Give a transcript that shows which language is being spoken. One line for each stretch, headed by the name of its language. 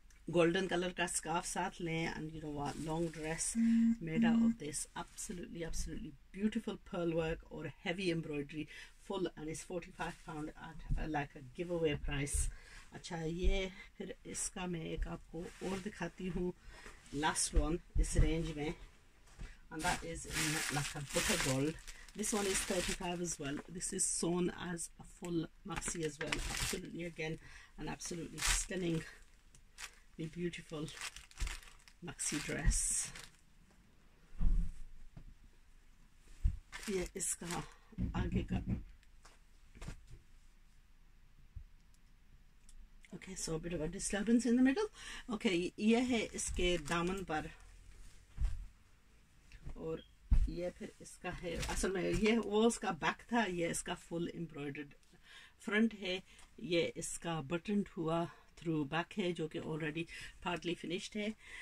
Hindi: Golden colour का scarf साथ लें
English: And you know long dress made out of this absolutely absolutely beautiful pearl work और heavy embroidery full and it's 45 pounds at like a give away price.
Hindi: अच्छा ये फिर इसका मैं एक आपको और दिखाती हूँ लास्ट वन इस रेंज में
English: And that is in like a butter gold. This one is 35 as well. This is sewn as a full maxi as well. Absolutely again, an absolutely stunningly beautiful maxi dress.
Hindi: ये इसका आगे का.
English: Okay, so a bit of a disturbance in the middle.
Hindi: Okay, ये है इसके दामन पर. और ये फिर इसका है असल में ये वो उसका बैक था, ये इसका फुल एम्ब्रॉयडर्ड फ्रंट है, ये इसका बटन हुआ थ्रू बैक है जो कि ऑलरेडी पार्टली फिनिश्ड है।